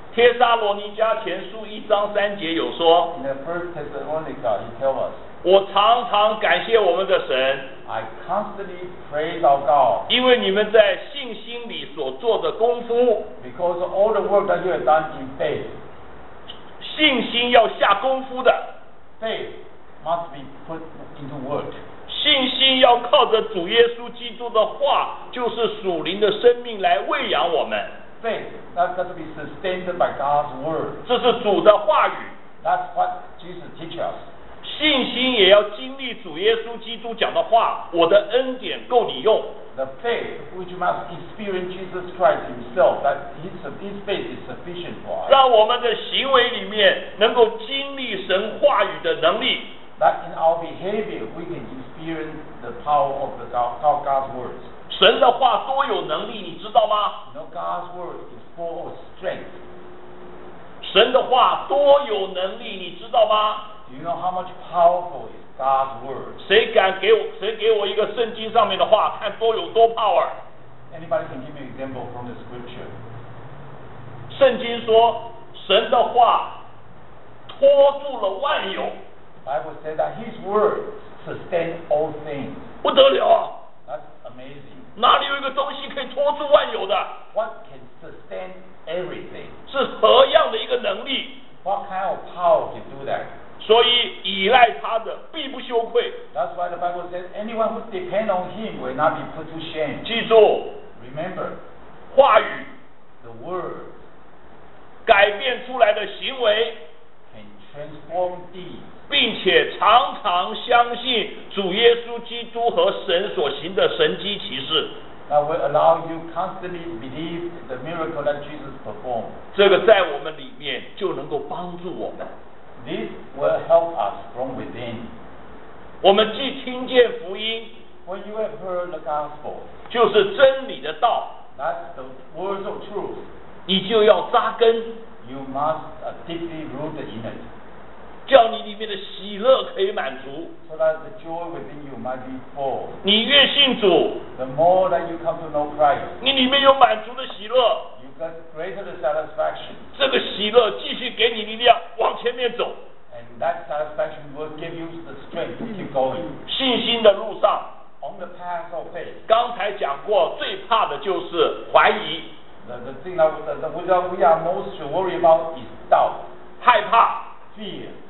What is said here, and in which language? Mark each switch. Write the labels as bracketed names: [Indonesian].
[Chinese] 帖撒罗尼迦前书一章三节有说， [English] In the first Thessalonica, he tells us, [Chinese] 我常常感谢我们的神， [English] I constantly praise our God, [Chinese] 因为你们在信心里所做的功夫， [English] because all the work that you have done in faith, [Chinese] 信心要下功夫的， [English] faith must be put into work. [Chinese] 信心要靠着主耶稣基督的话，就是属灵的生命来喂养我们。 [English] Faith that has to be sustained by God's word. [Chinese] 这是主的话语。 [English] That's what Jesus teaches us. [Chinese] 信心也要经历主耶稣基督讲的话，我的恩典够你用。 [English] The faith which must experience Jesus Christ Himself, that His faith is sufficient for us. [Chinese] 让我们的行为里面能够经历神话语的能力。 [English] That in our behavior we can experience the power of the God's words. [Chinese] 神的话多有能力，你知道吗？ [English] You know, God's word is full of strength. [Chinese] 神的话多有能力，你知道吗？ [English] Do you know how much powerful is God's word. [Chinese] 谁给我一个圣经上面的话，看多有多 power。 [English] Anybody can give me an example from the scripture? [Chinese] 圣经说，神的话托住了万有。 [English] Bible said that His word sustains all things. [Chinese] 不得了啊！ [English] That's amazing. [Chinese] 哪里有一个东西可以托住万有的？ [English] What can sustain everything? [Chinese] 是何样的一个能力？ [English] What kind of power can do that? [Chinese] 所以依赖他的必不羞愧。 [English] That's why the Bible says anyone who depends on him will not be put to shame. [Chinese] 记住， [English] Remember, [Chinese] 话语， [English] the word, [Chinese] 改变出来的行为， [English] can transform deeds. [Chinese] 并且常常相信主耶稣基督和神所行的神迹奇事。 [English] That will allow you constantly believe the miracle that Jesus performed. [Chinese] 这个在我们里面就能够帮助我们。 [English] This will help us from within. [Chinese] 我们既听见福音， [English] When you have heard the gospel, [Chinese] 就是真理的道， [English] That's the words of truth. [Chinese] 你就要扎根， [English] You must deeply root in it. [Chinese] 叫你里面的喜乐可以满足。 [English] So that the joy within you might be full. [Chinese] 你越信主， [English] the more that you come to know Christ, [Chinese] 你里面有满足的喜乐， [English] you get greater satisfaction. [Chinese] 这个喜乐继续给你力量往前面走。 [English] And that satisfaction will give you the strength to keep going. [Chinese] 信心的路上， [English] on the path of faith. [Chinese] 刚才讲过最怕的就是怀疑。 [English] The thing that we are most worried about is doubt. [Chinese] 害怕， [English] fear.